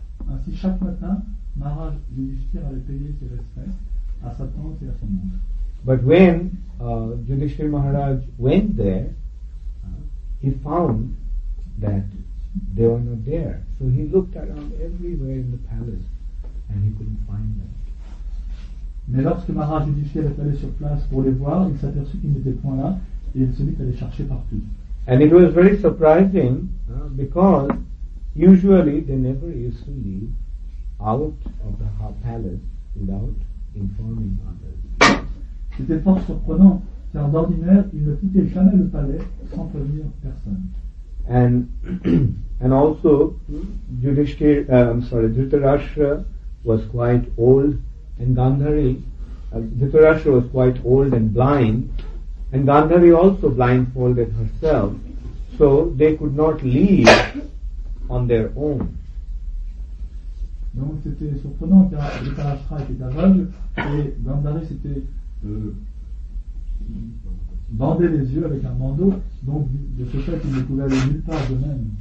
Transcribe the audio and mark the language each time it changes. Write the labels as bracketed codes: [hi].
[fr] Ainsi, chaque matin, Maharaj Yudhishthir allait payer ses respects à sa tante et à son oncle. [en] But when Yudhishthir Maharaj went there, he found that they were not there. So he looked around everywhere in the palace and he couldn't find them. [fr] Mais lorsque Maharaj Yudhishthir est allé sur place pour les voir, il s'aperçut qu'ils n'étaient point là et il se mit à les chercher partout. [en] And it was very surprising because usually, they never used to leave out of the palace without informing others. [fr] C'était fort surprenant, car d'ordinaire, ils ne quittaient jamais le palais sans prévenir personne. [en] And also, Dhritarashtra was quite old, and Gandhari, Dhritarashtra was quite old and blind, and Gandhari also blindfolded herself, so they could not leave on their own. [fr] Donc c'était surprenant car Dhritarashtra était aveugle et Gandhari s'était bandait les yeux avec un bandeau, donc de ce fait ils ne pouvaient aller nulle part eux-mêmes.